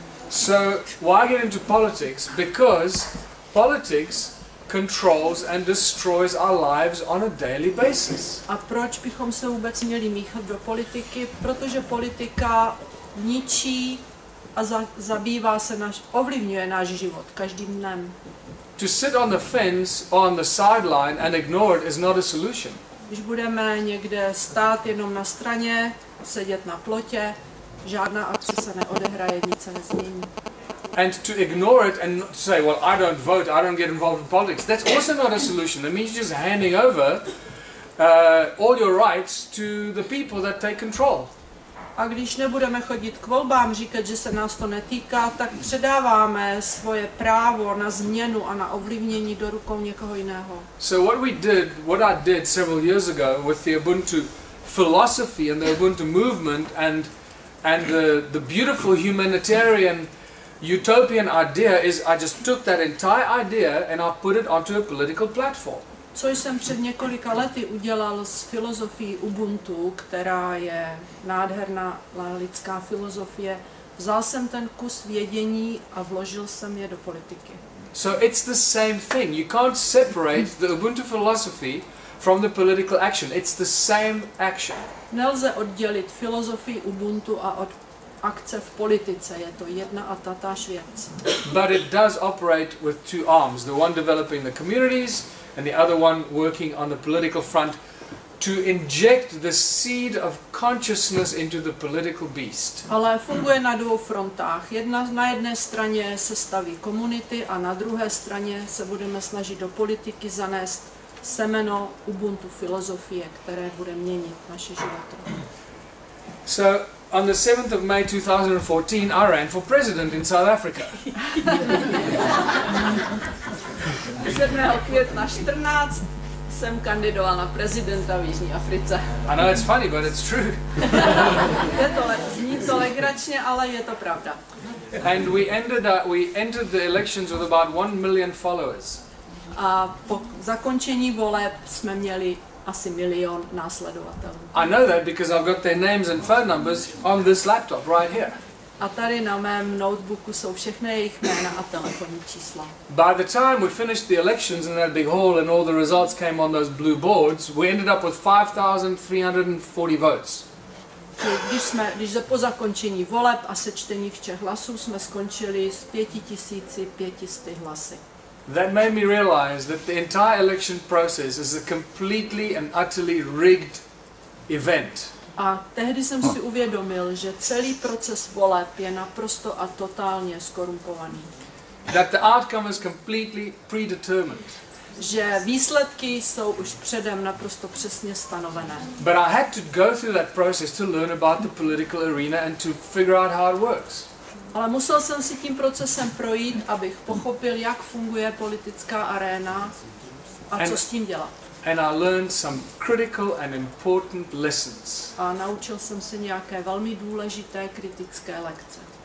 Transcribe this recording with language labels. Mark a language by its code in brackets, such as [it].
[en] So why get into politics? Because politics controls and destroys our lives on a daily basis. [cs] A proč bychom se vůbec měli míchat do politiky? Protože politika ničí a zabývá se ovlivňuje náš život každým dnem. [en] To sit on the fence or on the sideline and ignore it is not a solution. [cs] Když budeme někde stát jenom na straně, sedět na plotě, žádná akce se neodehraje, nic se nezmění. [en] And to ignore it and say, well, I don't vote, I don't get involved in politics. That's also not a solution. That means just handing over all your rights to the people that take control. [cs] A když nebudeme chodit k volbám, říkat, že se nás to netýká, tak předáváme svoje právo na změnu a na ovlivnění do rukou někoho jiného. [en] So what we did, what I did several years ago with the Ubuntu philosophy and the Ubuntu movement and the beautiful humanitarian utopian idea is I just took that entire idea and I put it onto a political platform. [cs] Co jsem před několika lety udělal s filozofií Ubuntu, která je nádherná lidská filozofie, vzal jsem ten kus vědění a vložil jsem je do politiky. [en] So it's the same thing. You can't separate the Ubuntu philosophy from the political action. It's the same action. [cs] Nelze oddělit filozofii Ubuntu a od akce v politice, je to jedna a tatáž věc. [en] But it does operate with two arms, the one developing the communities and the other one working on the political front to inject the seed of consciousness into the political beast. [cs] Ale funguje na dvou frontách. Jedna, na jedné straně se staví komunity a na druhé straně se budeme snažit do politiky zanést semeno Ubuntu filozofie, které bude měnit naše životy. [en] So on the 7th of May 2014, I ran for president in South Africa. [cs] 7. května 14 jsem kandidoval na prezidenta v Jižní Africe. [en] I know it's funny, but it's true. [cs] Zní to legračně, ale je to pravda. [en] And we entered the elections with about 1 million followers. [cs] A po zakončení voleb jsme měli asi milion následovatelů. [en] I know that because I've got their names and phone numbers on this laptop right here. [cs] A tady na mém notebooku jsou všechny jejich jména a telefonní čísla. [en] By the time we finished the elections in that big hall and all the results came on those blue boards, we ended up with 5,340 votes. [cs] Když po zakončení voleb a sečtení všech hlasů jsme skončili s 5,500 hlasy. [en] That made me realize that the entire election process is a completely and utterly rigged event. [cs] A tehdy jsem si uvědomil, že celý proces voleb je naprosto a totálně zkorumpovaný. [en] That the outcome is completely predetermined. [cs] Že výsledky jsou už předem naprosto přesně stanovené. [en] But I had to go through that process to learn about the political arena and to figure out how it works. [cs] Ale musel jsem si tím procesem projít, abych pochopil, jak funguje politická aréna a co s tím dělat. [en] And I learned some critical and important lessons. [cs] A naučil jsem se nějaké velmi důležité kritické lekce.